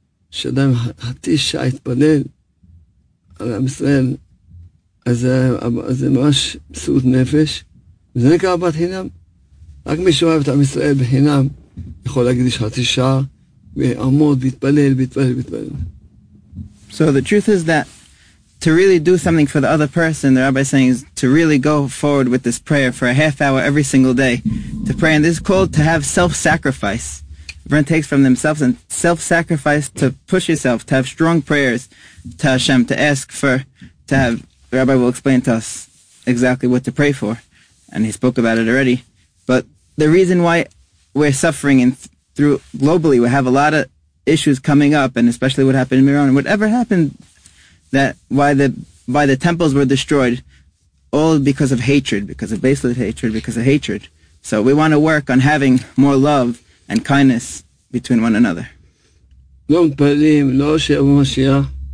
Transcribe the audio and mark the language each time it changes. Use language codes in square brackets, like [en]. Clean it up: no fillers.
[he] כשאדם חתיש שעה התפלל על עם ישראל, אז זה ממש מסירות נפש. וזה נקרא אהבת חינם. רק מי שאוהב את עם ישראל בחינם יכול להקדיש חתיש שעה, ועמוד, ויתפלל, ויתפלל, ויתפלל. [en] So the truth is that to really do something for the other person, the rabbi is saying, is to really go forward with this prayer for a half hour every single day to pray. And this is called to have self-sacrifice. Everyone takes from themselves and self-sacrifice to push yourself, to have strong prayers to Hashem, to ask for, to have, the rabbi will explain to us exactly what to pray for. And he spoke about it already. But the reason why we're suffering and through globally, we have a lot of issues coming up, and especially what happened in Miron, whatever happened, that why the temples were destroyed, all because of hatred, because of baseless hatred, because of hatred. So we want to work on having more love and kindness between one another. [he] לא מתפללים, לא שיבוא משיח,